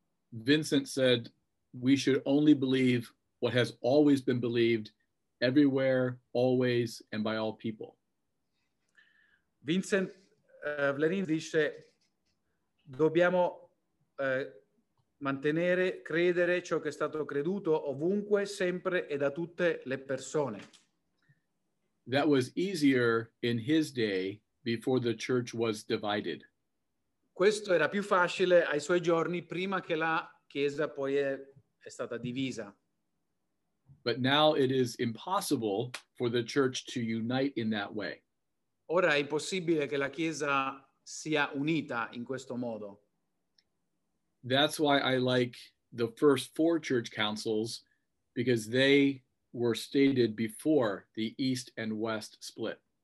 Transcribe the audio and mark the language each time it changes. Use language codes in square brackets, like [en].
[en] Vincent said, we should only believe what has always been believed everywhere, always, and by all people. [it] Vincent Vlerin dice, dobbiamo mantenere, credere ciò che è stato creduto ovunque, sempre e da tutte le persone. [en] That was easier in his day before the church was divided. [it] Questo era più facile ai suoi giorni prima che la Chiesa poi è stata divisa. [en] But now it is impossible for the church to unite in that way. [it] Ora è impossibile che la Chiesa sia unita in questo modo. [en] That's why I like the first four church councils, because they were stated before the East and West split.